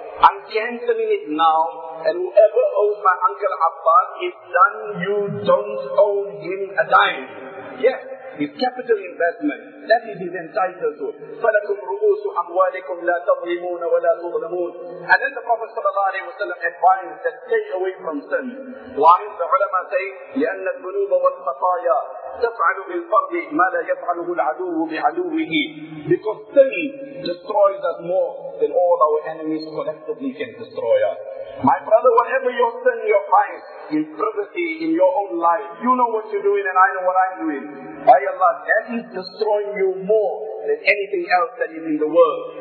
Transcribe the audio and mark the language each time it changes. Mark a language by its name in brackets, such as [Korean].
[English] I'm cancelling it now, and whoever owes my uncle Abbas is done, you don't owe him a dime. Yes, his capital investment, that is his entitled to. [Arabic] فَلَكُمْ رُؤُوسُ أَمْوَالِكُمْ لَا تَظْلِمُونَ وَلَا تُظْلَمُونَ. [English] And then the Prophet sallallahu alayhi wa sallam advised that stay away from sin. Why? The ulama say, [Arabic] لِأَنَّ الذُّنُوبَ وَالْخَطَايَا تَفْعَلُ بِالْفَرْضِ مَا لَا يَفْعَلُهُ الْعَدُوُّ بِعَدُوِّهِ. [English] Because sin destroys us more than all our enemies collectively can destroy us. My brother, whatever your sin, your crime, in privacy, in your own life, you know what you're doing and I know what I'm doing. By Allah, that is destroying you more than anything else that is in the world.